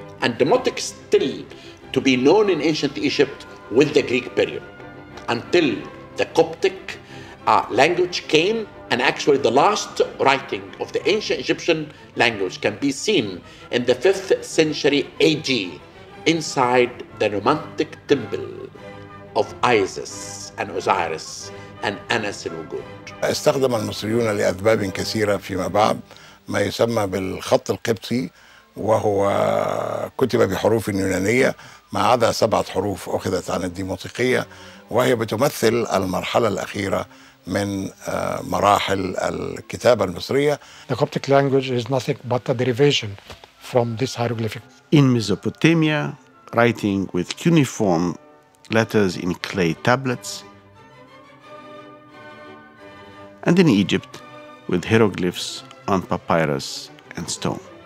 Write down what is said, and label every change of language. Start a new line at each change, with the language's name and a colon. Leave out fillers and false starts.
English: And demotic still to be known in ancient Egypt with the Greek period until the Coptic language came And actually, the last writing of the ancient Egyptian language can be seen in the 5th century AD inside the romantic temple of Isis and Osiris and Anas al-Ugud.
Arabic: استخدم المصريون لأسباب كثيرة فيما بعد ما يسمى بالخط القبطي وهو كتب بحروف يونانية ما عدا 7 حروف أخذت عن الديموطيقية وهي بتمثل المرحلة الأخيرة من مراحل الكتابة المصرية.
English: The Coptic language is nothing but a derivation from this hieroglyphic. In Mesopotamia, writing with cuneiform letters in clay tablets, and in Egypt, with hieroglyphs on papyrus and stone.